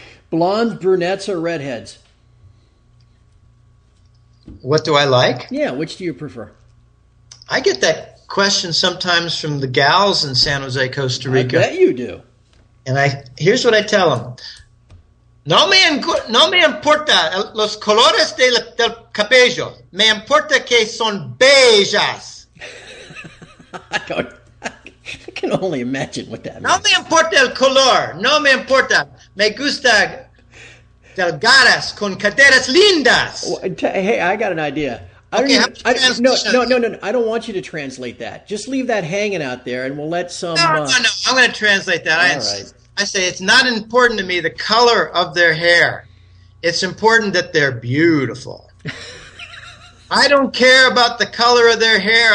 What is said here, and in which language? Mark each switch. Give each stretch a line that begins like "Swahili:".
English: Blondes, brunettes, or redheads? What do I like? Yeah, which do you prefer? I get that question sometimes from the gals in San Jose, Costa Rica. I bet you do. And here's what I tell them.
Spanish: No me importa los colores del cabello. Me importa que son bellas.
English: I can only imagine what that means.
Spanish: No me importa el color. No me importa. Me gusta delgadas con caderas lindas.
English: Hey, I got an idea. I don't want you to translate that. Just leave that hanging out there, and we'll let some. No. I'm going to translate that. I say it's not important to me the color of their hair. It's important that they're beautiful. I don't care about the color of their hair.